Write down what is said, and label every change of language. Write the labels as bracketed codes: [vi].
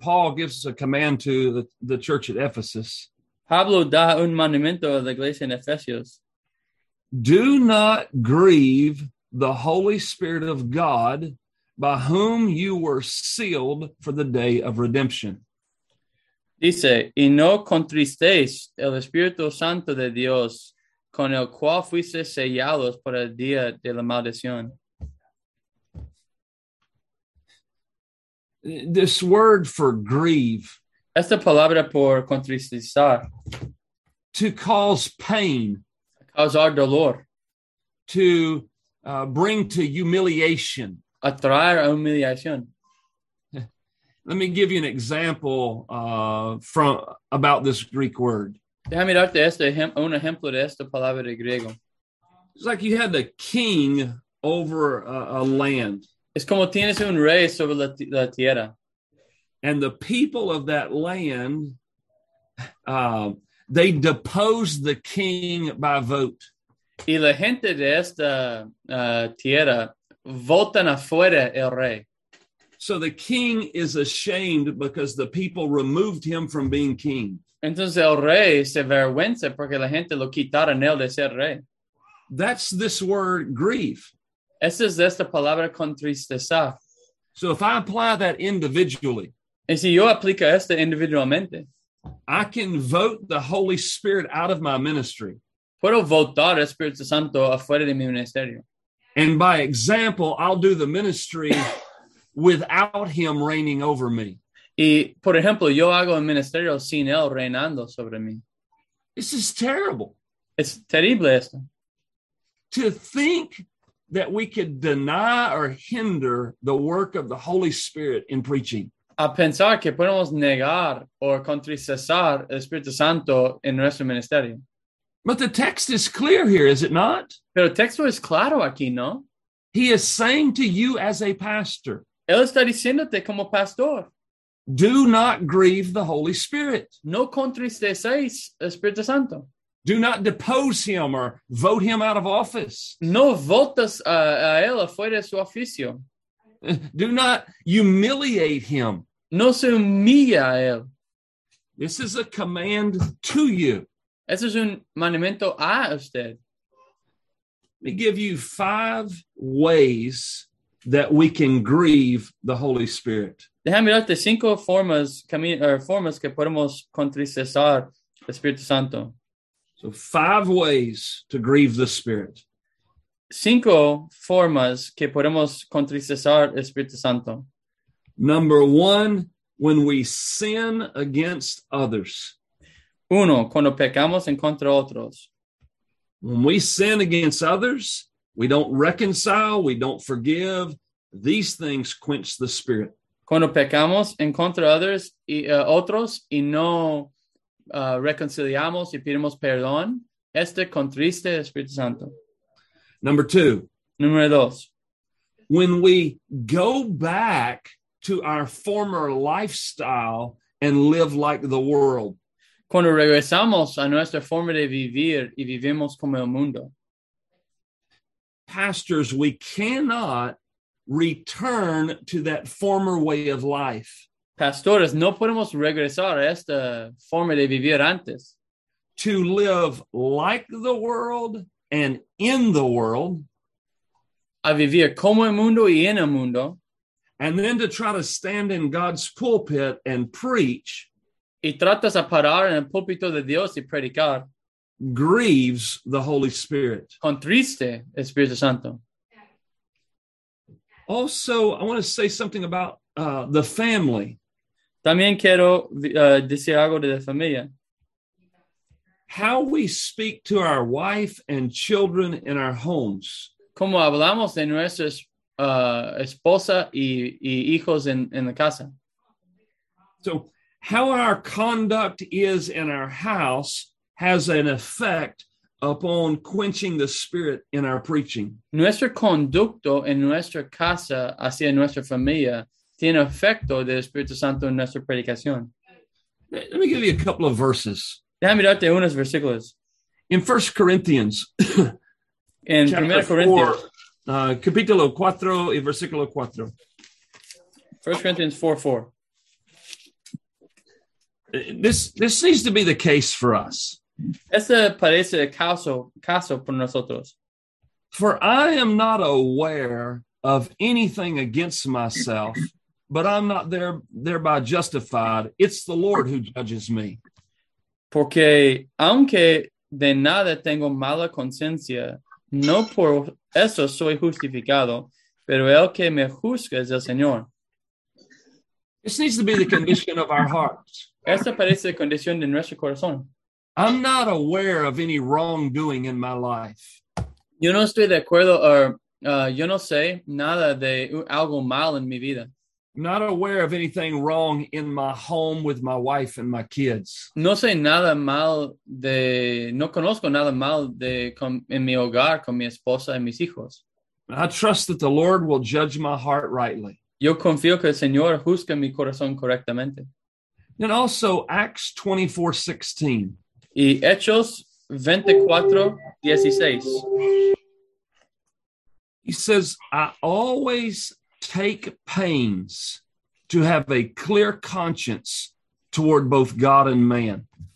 [en] Paul gives us a command to the church at Ephesus. [es] Pablo da un mandamiento a la iglesia en Efesios. [en] Do not grieve the Holy Spirit of God, by whom you were sealed for the day of redemption. [es] Dice, y no contristéis el Espíritu Santo de Dios, con el cual fuiste sellados por el día de la maldición. [en] This word for grieve. [es] Esta palabra por contristar. [en] To cause pain. [es] Causar dolor. [en] To bring to humiliation. [es] A traer a humillación. [en] Let me give you an example from about this Greek word. [es] Déjame darte un ejemplo de esta palabra de griego. [en] It's like you had a king over a land. [es] Es como tienes un rey sobre la tierra. [en] And the people of that land, they deposed the king by vote. [es] Y la gente de esta tierra votan afuera el rey. [en] So the king is ashamed because the people removed him from being king. [es] Entonces el rey se avergüenza porque la gente lo quitaron él de ser rey. [en] That's this word grief. [es] Esa es esta palabra contristeza. [en] So if I apply that individually, [es] y si yo aplico esto individualmente, [en] I can vote the Holy Spirit out of my ministry. [es] Puedo votar el Espíritu Santo afuera de mi ministerio. [en] And by example, I'll do the ministry without him reigning over me. [es] Y, por ejemplo, yo hago el ministerio sin él reinando sobre mí. [en] This is terrible. [es] Es terrible esto. [en] To think that we could deny or hinder the work of the Holy Spirit in preaching. [es] A pensar que podemos negar o contristar el Espíritu Santo en nuestro ministerio. [en] But the text is clear here, is it not? [es] Pero el texto es claro aquí, ¿no? [en] He is saying to you as a pastor. [es] Él está diciéndote como pastor. [en] Do not grieve the Holy Spirit. [es] No contristeis el Espíritu Santo. [en] Do not depose him or vote him out of office. [es] No votas a él afuera de su oficio. [en] Do not humiliate him. [es] No se humilla a él. [en] This is a command to you. [es] Eso es un mandamiento a usted. [en] Let me give you 5 ways that we can grieve the Holy Spirit. [es] Déjame darte 5 formas, formas que podemos contristar el Espíritu Santo. [en] So 5 ways to grieve the Spirit. [es] 5 formas que podemos contristar el Espíritu Santo. [en] Number 1, when we sin against others. [es] 1, cuando pecamos en contra otros. [en] When we sin against others, we don't reconcile, we don't forgive. These things quench the Spirit. [es] Cuando pecamos en contra [en] others [es] y otros y no reconciliamos y pedimos perdón, este contriste el Espíritu Santo. Número 2. [en] When we go back to our former lifestyle and live like the world. [es] Cuando regresamos a nuestra forma de vivir y vivimos como el mundo. [en] Pastors, we cannot return to that former way of life. [es] Pastores, no podemos regresar a esta forma de vivir antes. [en] To live like the world and in the world. [es] A vivir como el mundo y en el mundo. [en] And then to try to stand in God's pulpit and preach. [es] Y tratas a parar en el púlpito de Dios y predicar. [en] Grieves the Holy Spirit. [es] Contriste el Espíritu Santo. [en] Also, I want to say something about the family. [es] También quiero decir algo de la familia. [en] How we speak to our wife and children in our homes. [es] Como hablamos de nuestras esposa y hijos en la casa. [en] So, how our conduct is in our house has an effect upon quenching the Spirit in our preaching. [es] Nuestro conducto en nuestra casa hacia nuestra familia tiene efecto del Espíritu Santo en nuestra predicación. [en] Let me give you a couple of verses. [es] Déjame darte unos versículos. [en] In 1 Corinthians, [es] en 1 Corinthians, capítulo 4 y versículo 4. [en] 1 Corinthians 4:4. This needs to be the case for us. [es] Este parece caso por nosotros. [en] For I am not aware of anything against myself, but I'm not thereby justified. It's the Lord who judges me. [es] Porque aunque de nada tengo mala conciencia, no por eso soy justificado, pero el que me juzga es el Señor. [en] This needs to be the condition of our hearts. [es] Esta parece la condición de nuestro corazón. [en] I'm not aware of any wrongdoing in my life. [es] Yo no estoy de acuerdo, yo no sé nada de algo mal en mi vida. [en] I'm not aware of anything wrong in my home with my wife and my kids. [es] No sé nada mal de, no conozco nada mal de en mi hogar con mi esposa y mis hijos. [en] I trust that the Lord will judge my heart rightly. [es] Yo confío que el Señor juzgue mi corazón correctamente. [en] And also Acts 24:16. [es] Y Hechos 24:16. [en] He says, I always take pains to have a clear conscience toward both God and man.